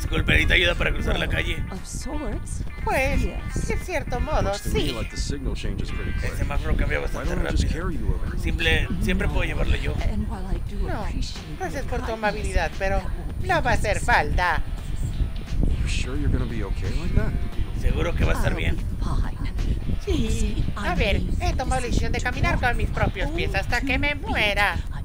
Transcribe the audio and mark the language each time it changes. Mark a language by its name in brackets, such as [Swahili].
[Spanish] Disculpe, necesito ayuda para cruzar la calle. [English] Of sorts. [Spanish] Pues, yes. En cierto modo, sí. [English] Like the signal changes pretty quick. [Spanish] El semáforo cambia bastante rápido. Siempre puedo llevarlo yo. No, gracias por tu amabilidad, pero no va a hacer falta. [English] You sure you're gonna be okay like that? [Spanish] Seguro que va a estar bien. Sí. A ver, he tomado la decisión de caminar con mis propios pies hasta que me muera.